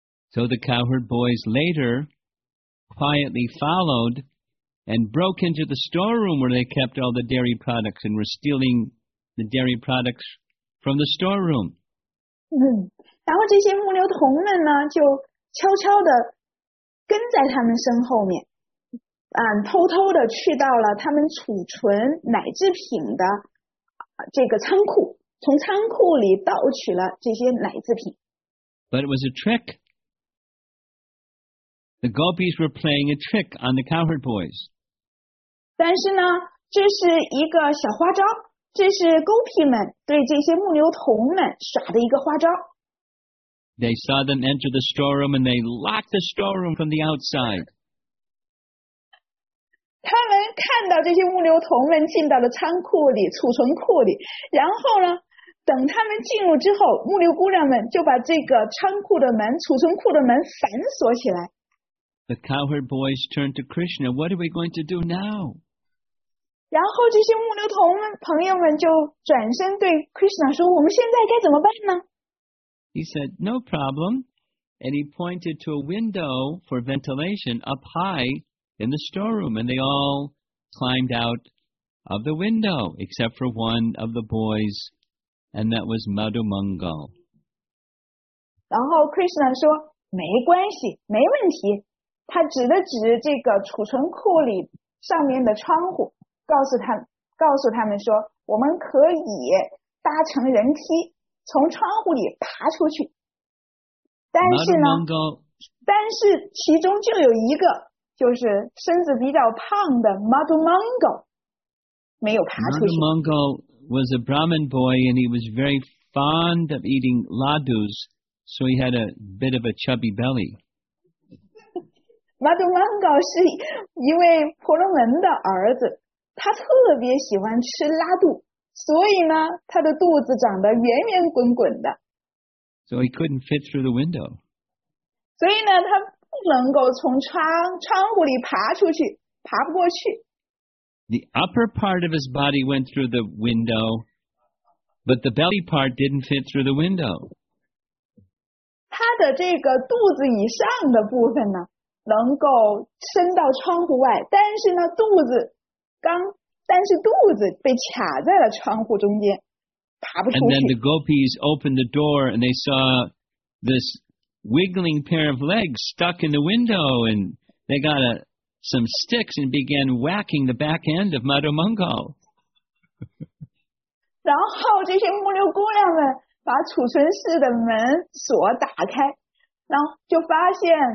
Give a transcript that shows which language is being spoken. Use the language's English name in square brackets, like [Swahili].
[English] So the cowherd boys later quietly followed and broke into the storeroom where they kept all the dairy products and were stealing the dairy products from the storeroom. [Chinese] 然后这些牧牛童们呢，就悄悄地跟在他们身后面，偷偷地去到了他们储存奶制品的这个仓库，从仓库里盗取了这些奶制品。 [English] But it was a trick. The gopis were playing a trick on the cowherd boys. [Chinese] 但是呢，这是一个小花招，这是 gopi 们对这些牧牛童们耍的一个花招。 [English] They saw them enter the storeroom and they locked the storeroom from the outside. [Chinese] 他们看到这些牧牛童们进到了仓库里、储存库里，然后呢，等他们进入之后，牧牛姑娘们就把这个仓库的门、储存库的门反锁起来。 [English] The cowherd boys turned to Krishna. What are we going to do now? [Chinese] 然后这些牧牛童们、朋友们就转身对 Krishna 说：“我们现在该怎么办呢？” [English] He said, "No problem," and he pointed to a window for ventilation up high in the storeroom. And they all climbed out of the window, except for one of the boys, and that was Madhu Mangal. [Chinese] 然后 Krishna 说：“没关系，没问题。” 他指了指这个储存库里上面的窗户，告诉他们说，我们可以搭乘人梯从窗户里爬出去。但是呢，但是其中就有一个，就是身子比较胖的 Madhu Mangal 没有爬出去。 [English] Madhu Mangal was a Brahmin boy and he was very fond of eating ladus, so he had a bit of a chubby belly. [Chinese] Madhu Mangal 是一位婆罗门的儿子，他特别喜欢吃拉肚，所以呢，他的肚子长得圆圆滚滚的。 [English] So he couldn't fit through the window. [Chinese] 所以呢，他不能够从窗户里爬出去，爬不过去。 [English] The upper part of his body went through the window, but the belly part didn't fit through the window. [Chinese] 他的这个肚子以上的部分呢？能够伸到窗户外，但是呢，肚子被卡在了窗户中间，爬不出去。 [English] And then the gopis opened the door and they saw this wiggling pair of legs stuck in the window, and they got some sticks and began whacking the back end of Madhu Mangal. [Chinese] 然后这些牧牛姑娘们把储存室的门锁打开，然后就发现。